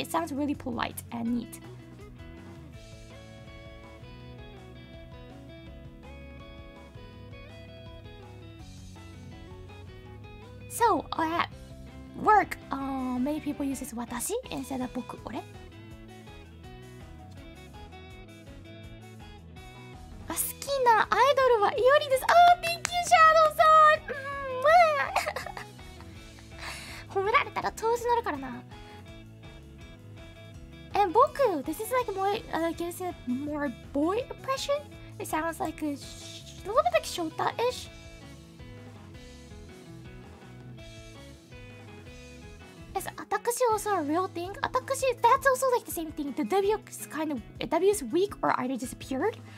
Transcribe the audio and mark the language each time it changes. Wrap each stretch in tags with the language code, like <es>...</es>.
<en>It sounds really polite and neat. So, at work, many people use this 私 instead of 僕、俺。</en> <ja>好きなアイドルはイオリです。</ja> <en>あ、Thank you, Shadow さん。</en> <ja>褒められたら調子乗るからな。</ja> <en>And 僕、This is like more, gives it more boy impression. It sounds like a little bit like Shota-ish. Atakushi is also a real thing. Atakushi, that's also like the same thing. The W is kind of, W is weak or either disappeared.</en>